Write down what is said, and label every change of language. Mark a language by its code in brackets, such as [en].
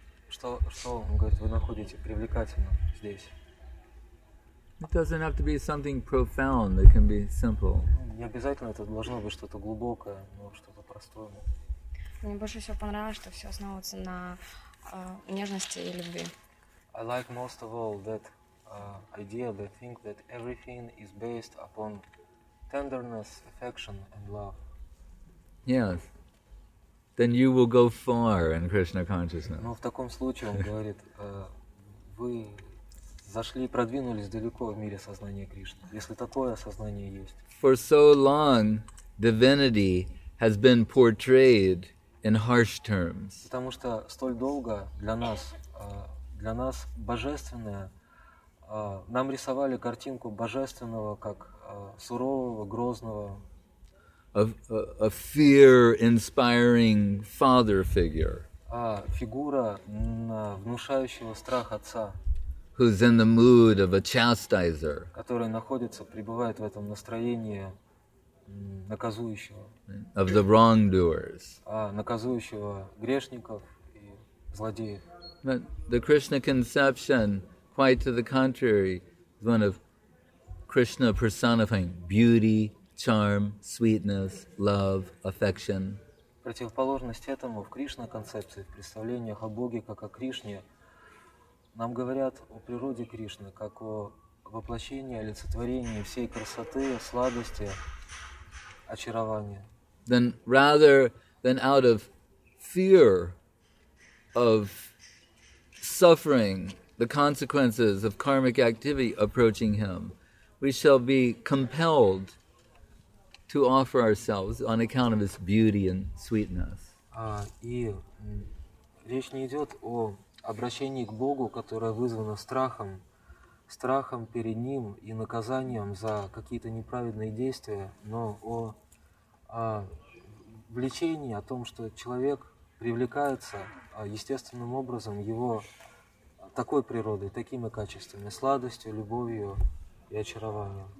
[ru] Что он говорит, вы находите привлекательно здесь? [en] It doesn't have to be something profound. It can be simple. [ru] Не обязательно это должно быть что-то глубокое, но что-то простое. Мне больше всего понравилось, что все основывается на нежности и любви. [en] I like most of all that idea, the thing that everything is based upon tenderness, affection and love. Yes. Then you will go far in Krishna consciousness. [ru] Ну, в таком случае, он говорит, вы зашли, продвинулись далеко в мире сознания Кришны, если такое сознание есть. [en] For so long, divinity has been portrayed in harsh terms. [ru] Потому что столь долго для нас божественное, нам рисовали картинку божественного как сурового, грозного. [en] A fear-inspiring father figure. [ru] Фигура, внушающего страх отца. [en] Who's in the mood of a chastiser. [ru] Который находится, пребывает в этом настроении наказующего. [en] Of the wrongdoers. [ru] Наказующего грешников и злодеев. [en] But the Krishna conception, quite to the contrary, is one of Krishna personifying beauty, charm, sweetness, love, affection. [ru] Противоположность этому в Кришна концепции, в представлениях о Боге как о Кришне, нам говорят о природе Кришны, как о воплощении, олицетворении всей красоты, сладости, очарования. [en] Then rather than out of fear of suffering the consequences of karmic activity approaching him, we shall be compelled to offer ourselves on account of his beauty and sweetness. [ru] И речь не идет о обращении к Богу, которое вызвано страхом, страхом перед ним и наказанием за какие-то неправедные действия, но о влечении, о том, что человек привлекается естественным образом его такой природой, такими качествами, сладостью, любовью и очарованием.